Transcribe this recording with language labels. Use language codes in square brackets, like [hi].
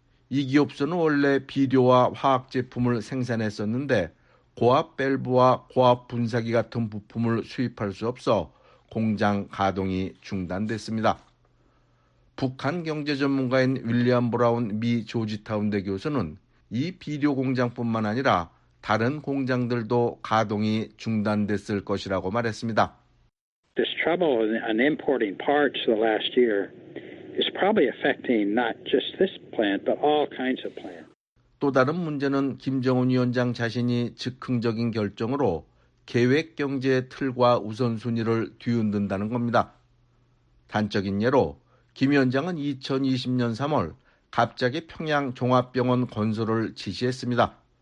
[ko] 이 기업소는 원래 비료와 화학 제품을 생산했었는데 고압 밸브와 고압 분사기 같은 부품을 수입할 수 없어 공장 가동이 중단됐습니다. 북한 경제 전문가인 윌리엄 브라운 미 조지타운대 교수는 이 비료 공장뿐만 아니라 다른 공장들도 가동이 중단됐을 것이라고 말했습니다. [en] This trouble in importing parts the last year is probably affecting not just this plant but all kinds of plants. [ko] 또 다른 문제는 김정은 위원장 자신이 즉흥적인 결정으로 계획 경제의 틀과 우선순위를 뒤흔든다는 겁니다. 단적인 예로 김 위원장은 2020년 3월 갑자기 평양 종합병원 건설을 지시했습니다.